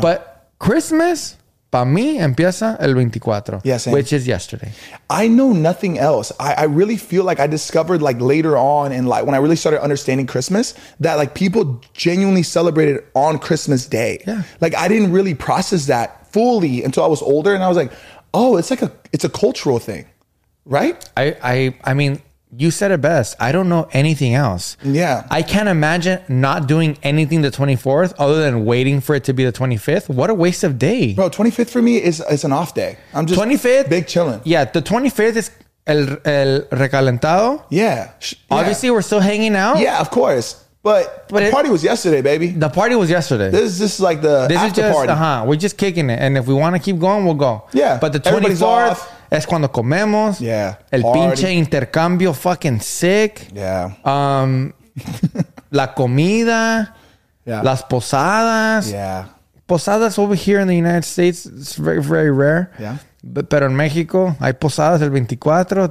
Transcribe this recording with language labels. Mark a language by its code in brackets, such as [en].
[en] But Christmas, [es] para mí, empieza el 24. [en] Yes. Yeah, which is yesterday. I know nothing else. I really feel like I discovered like later on in life when I really started understanding Christmas that like people genuinely celebrated on Christmas Day. Yeah. Like I didn't really process that fully until I was older and I was like, oh, it's like it's a cultural thing, right? I mean, you said it best. I don't know anything else. Yeah. I can't imagine not doing anything the 24th other than waiting for it to be the 25th. What a waste of day. Bro, 25th for me is an off day. I'm just 25th, big chilling. Yeah, the 25th is [es] el recalentado. [en] Yeah. Obviously, yeah. We're still hanging out. Yeah, of course. But the party was yesterday, baby. The party was yesterday. This is like the this after is just, party. Uh-huh. We're just kicking it. And if we want to keep going, we'll go. Yeah. But the 24th [es] es cuando comemos. [en] Yeah. [es] El party. Pinche intercambio [en] fucking sick. Yeah. [es] la comida. [en] Yeah. [es] Las posadas. [en] Yeah. Posadas over here in the United States, it's very, very rare. Yeah. [es] Pero en México hay posadas el 24.